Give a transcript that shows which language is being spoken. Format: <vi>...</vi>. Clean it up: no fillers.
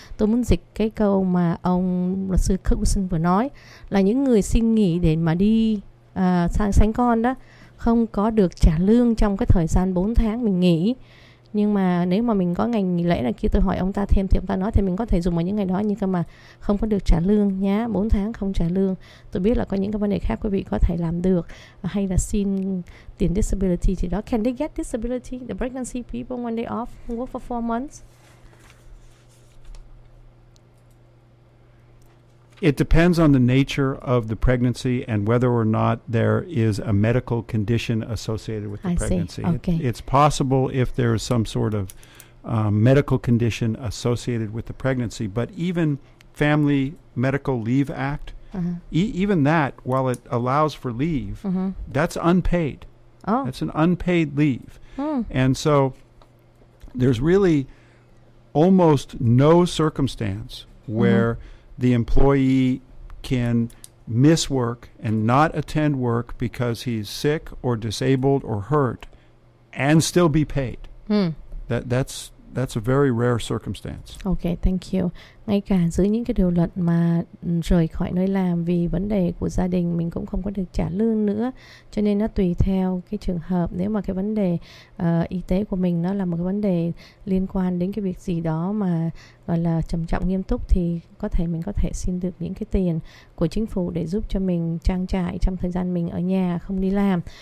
<vi>Tôi muốn dịch cái câu mà ông luật sư Kirkson vừa nói, là những người xin nghỉ để mà đi sánh con đó, không có được trả lương trong cái thời gian 4 tháng mình nghỉ. Nhưng mà nếu mà mình có ngày nghỉ lễ là kia, tôi hỏi ông ta thêm thì ông ta nói thì mình có thể dùng vào những ngày đó, nhưng mà không có được trả lương nhá, 4 tháng không trả lương. Tôi biết là có những cái vấn đề khác quý vị có thể làm được, hay là xin tiền disability thì đó.</vi> <en>Can they get disability, the pregnancy people, when they off work for 4 months? It depends on the nature of the pregnancy and whether or not there is a medical condition associated with the pregnancy. Okay. It's possible if there is some sort of medical condition associated with the pregnancy. But even Family Medical Leave Act, even that, while it allows for leave, mm-hmm. that's unpaid. Oh. That's an unpaid leave. Hmm. And so there's really almost no circumstance where mm-hmm. the employee can miss work and not attend work because he's sick or disabled or hurt and still be paid. Hmm. That's a very rare circumstance. Okay, thank you.</en> <vi>Ngay cả dưới những cái điều luật mà rời khỏi nơi làm vì vấn đề của gia đình, mình cũng không có được trả lương nữa. Cho nên nó tùy theo cái trường hợp. Nếu mà cái vấn đề y tế của mình nó là một cái vấn đề liên quan đến cái việc gì đó mà gọi là trầm trọng nghiêm túc, thì có thể mình có thể xin được những cái tiền của chính phủ để giúp cho mình trang trải trong thời gian mình ở nhà không đi làm.</vi>